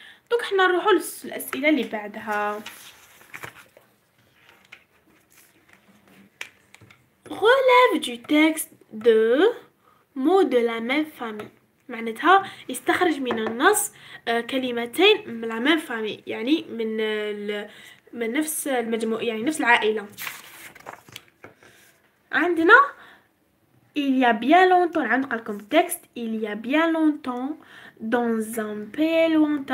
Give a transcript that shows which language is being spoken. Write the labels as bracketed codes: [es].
[ar] دوك حنا نروحو للأسئلة اللي بعدها. [fr] Relève du texte de mots de la même famille. [ar] معناتها يستخرج من النص كلمتين من [fr] la même famille. [ar] يعني من من نفس المجموع يعني نفس العائلة. عندنا [fr] il y a bien longtemps. [ar] عندنا قلكم [fr] texte il y a bien longtemps dans un pays lointain.